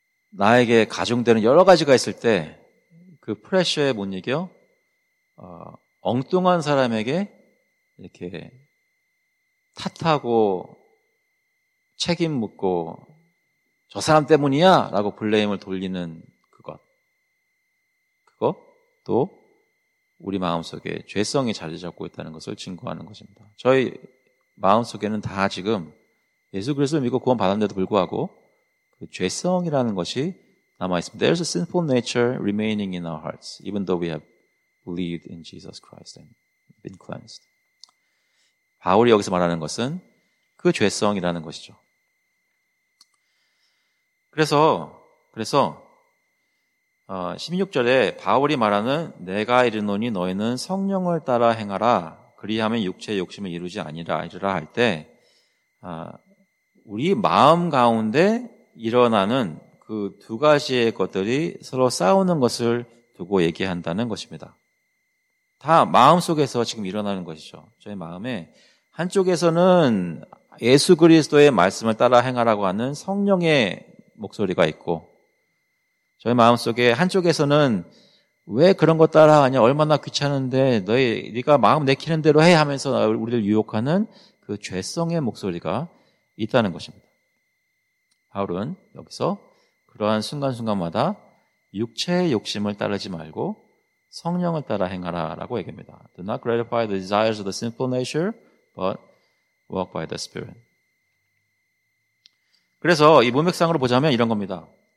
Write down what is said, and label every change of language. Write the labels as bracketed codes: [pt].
[ko] 나에게 가중되는 여러 가지가 있을 때 그 프레셔에 못 이겨 엉뚱한 사람에게 이렇게 탓하고 책임 묻고 저 사람 때문이야 라고 블레임을 돌리는 그것, 그거 또 우리 마음속에 죄성이 자리 잡고 있다는 것을 증거하는 것입니다. 저희 마음속에는 다 지금 예수 그리스도를 믿고 구원 받았는데도 불구하고 그 죄성이라는 것이 남아있습니다. [en] There's a sinful nature remaining in our hearts, even though we have believed in Jesus Christ and been cleansed. [ko] 바울이 여기서 말하는 것은 그 죄성이라는 것이죠. 그래서 16절에 바울이 말하는 내가 이르노니 너희는 성령을 따라 행하라 그리하면 육체의 욕심을 이루지 아니하리라 할 때 우리 마음 가운데 일어나는 그 두 가지의 것들이 서로 싸우는 것을 두고 얘기한다는 것입니다. 다 마음속에서 지금 일어나는 것이죠. 저의 마음에 한쪽에서는 예수 그리스도의 말씀을 따라 행하라고 하는 성령의 목소리가 있고 저의 마음속에 한쪽에서는 왜 그런 거 따라하냐 얼마나 귀찮은데 네가 마음 내키는 대로 해 하면서 우리를 유혹하는 그 죄성의 목소리가 있다는 것입니다. 바울은 여기서 그러한 순간순간마다 육체의 욕심을 따르지 말고 성령을 따라 행하라라고 얘기합니다. [en] Do not gratify the desires of the sinful nature, but walk by the Spirit. [ko] 그래서 이 문맥상으로 보자면 이런 겁니다.